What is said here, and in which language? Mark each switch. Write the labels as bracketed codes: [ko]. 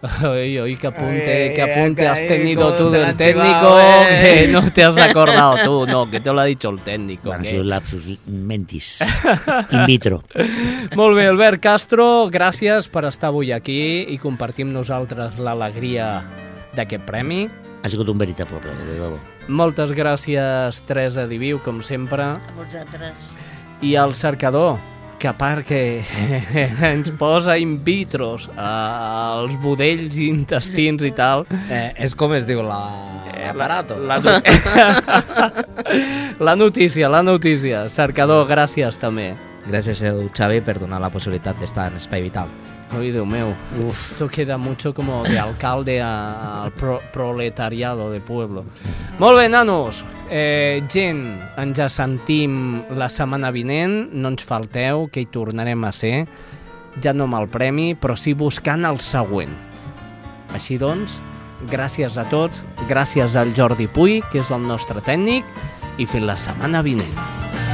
[es] Oi, que apunte, que apunte, has tenido tú del técnico, que no te has acordado tú, no, que te lo ha dicho el técnico. Bueno, son lapsus mentis, in vitro. [ca] Molt bé, Albert Castro, gràcies per estar avui aquí i compartir amb nosaltres l'alegria d'aquest premi. Ha sigut un veritable premi, de debò. Moltes gràcies, Teresa Diviu, com sempre. A vosaltres. I al cercador. Que a part que ens posa in vitros als budells, intestins i tal... És com es diu la... Aparato. La notícia. Cercador, gràcies també. Gràcies, Xavi, per donar la possibilitat d'estar en Espai Vital. Ui, Déu meu, [es] uf, esto queda mucho como de alcalde al proletariado de pueblo. [ca] Molt bé, nanos, gent, ens ja sentim la setmana vinent, no ens falteu, que hi tornarem a ser, ja no amb el premi, però sí buscant el següent. Així doncs, gràcies a tots, gràcies al Jordi Puy, que és el nostre tècnic, i fins la setmana vinent.